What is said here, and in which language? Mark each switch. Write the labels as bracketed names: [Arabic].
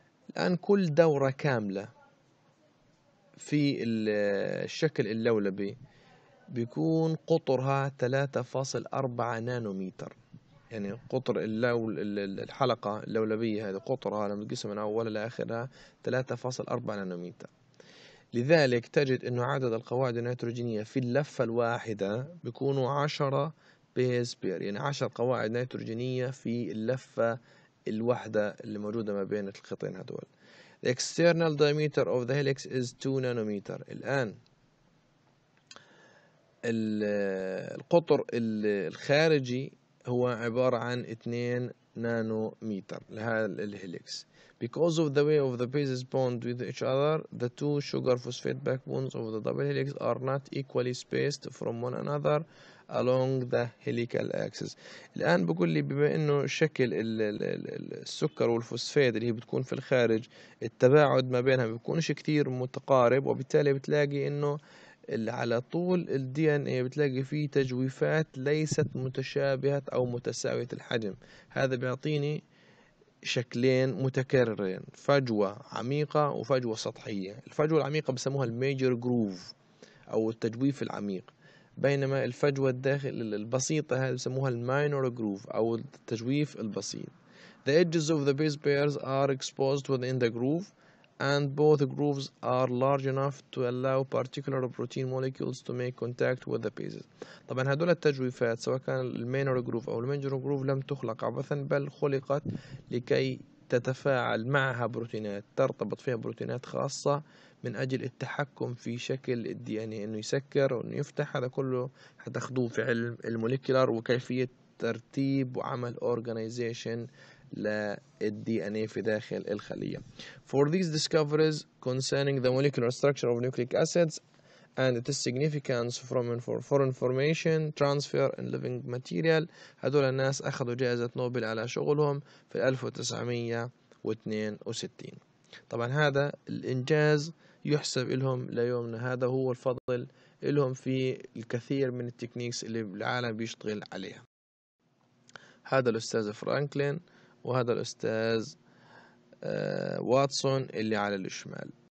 [Arabic] الآن كل دورة كاملة في الشكل اللولبي بيكون قطرها 3.4 نانوميتر، يعني قطر الحلقة اللولبية هذه قطرها لما تقسم من أولها لآخرها 3.4 نانوميتر. لذلك تجد أنه عدد القواعد النيتروجينية في اللفة الواحدة بيكونوا 10 بيز بير، يعني 10 قواعد نيتروجينية في اللفة الواحدة اللي موجودة ما بين الخيطين هذول. [English] The external diameter of the helix is 2 nanometer. [Arabic] الآن القطر الخارجي هو عبارة عن 2 نانومتر لهذا الهيليكس. [English] Because of the way of the bases bond with each other, the two sugar phosphate backbones of the double helix are not equally spaced from one another along the helical axis. [Arabic] الآن بقول لي بما إنه شكل السكر والفوسفيد اللي هي بتكون في الخارج التباعد ما بينها بيكونش كتير متقارب، وبالتالي بتلاقي إنه على طول الـ DNA بتلاقي فيه تجويفات ليست متشابهة أو متساوية الحجم. هذا بيعطيني شكلين متكررين، فجوة عميقة وفجوة سطحية. الفجوة العميقة بسموها الميجر جروف أو التجويف العميق، بينما الفجوة الداخل البسيطة هذه بسموها الماينور جروف أو التجويف البسيط. [English] The edges of the base pairs are exposed within the groove and both grooves are large enough to allow particular protein molecules to make contact with the bases. [Arabic] طبعا هذول التجويفات سواء كان المينور جروف او المينجر جروف لم تخلق عبثا، بل خلقت لكي تتفاعل معها بروتينات، ترتبط فيها بروتينات خاصه من اجل التحكم في شكل الدي ان اي، انه يسكر او انه يفتح. هذا كله حتاخذوه في علم الموليكولار وكيفيه ترتيب وعمل اورجانيزيشن للDNA في داخل الخلية. [English] For these discoveries concerning the molecular structure of nucleic acids and its significance for information transfer in living material، [Arabic] هذول الناس أخذوا جائزة نوبل على شغلهم في 1962. طبعا هذا الإنجاز يحسب لهم ليومنا، هذا هو الفضل لهم في الكثير من التكنيكس اللي العالم بيشتغل عليها. هذا الأستاذ فرانكلين وهذا الأستاذ واتسون اللي على الشمال.